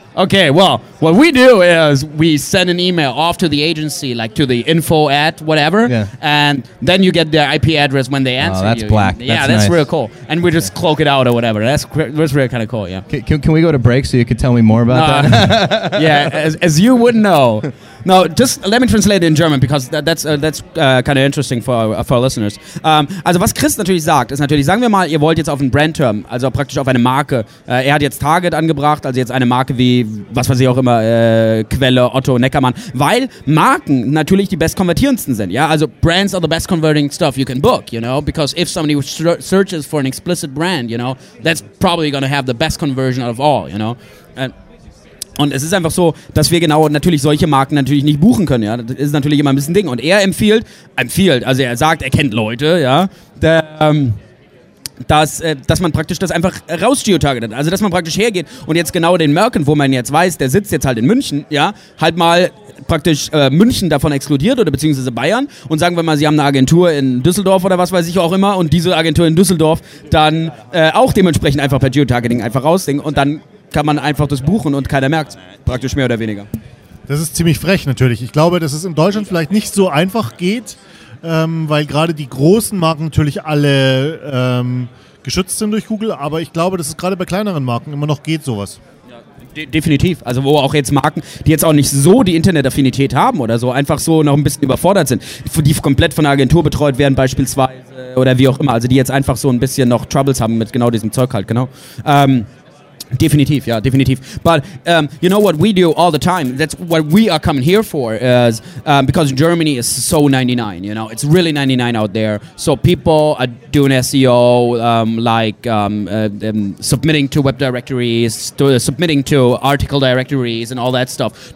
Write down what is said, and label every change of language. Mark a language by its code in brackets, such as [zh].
[en] Okay, well, what we do is we send an email off to the agency, like to the info at whatever, and then you get their IP address when they answer. Oh, that's you. Black. Yeah, that's Real cool. And we just cloak it out or whatever. That's really kind of cool, yeah. Can we go to break so you could tell me more about that? Yeah, as you would know. No, just let me translate it in German, because that's kind of interesting for our listeners. [de] Also was Chris natürlich sagt, ist natürlich, sagen wir mal, ihr wollt jetzt auf einen Brandterm, also praktisch auf eine Marke. Er hat jetzt Target angebracht, also jetzt eine Marke wie, was weiß ich auch immer, Quelle, Otto, Neckermann. Weil Marken natürlich die bestkonvertierendsten sind, ja? [en] Also Brands are the best converting stuff you can book, you know? Because if somebody searches for an explicit brand, you know, that's probably going to have the best conversion out of all, you know? [de] Und es ist einfach so, dass wir genau natürlich solche Marken natürlich nicht buchen können, ja. Das ist natürlich immer ein bisschen Ding. Und er empfiehlt, also er sagt, er kennt Leute, ja, dass man praktisch das einfach rausgeotargetet. Also dass man praktisch hergeht und jetzt genau den Merken, wo man jetzt weiß, der sitzt jetzt halt in München, ja, halt mal praktisch München davon exkludiert oder beziehungsweise Bayern und sagen wir mal, sie haben eine Agentur in Düsseldorf oder was weiß ich auch immer und diese Agentur in Düsseldorf dann auch dementsprechend einfach per Geotargeting einfach rausdenken und dann kann man einfach das buchen und keiner merkt, praktisch mehr oder weniger. Das ist ziemlich frech natürlich. Ich glaube, dass es in Deutschland vielleicht nicht so einfach geht, weil gerade die großen Marken natürlich alle geschützt sind durch Google. Aber ich glaube, dass es gerade bei kleineren Marken immer noch geht, sowas. Definitiv. Also wo auch jetzt Marken, die jetzt auch nicht so die Internet-Affinität haben oder so, einfach so noch ein bisschen überfordert sind, die komplett von einer Agentur betreut werden beispielsweise oder wie auch immer. Also die jetzt einfach so ein bisschen noch Troubles haben mit genau diesem Zeug halt, genau. Definitiv, yeah, definitiv. [en] But you know what we do all the time? That's what we are coming here for, is because Germany is so 99, you know? It's really 99 out there. So people are doing SEO, submitting to web directories, submitting to article directories and all that stuff.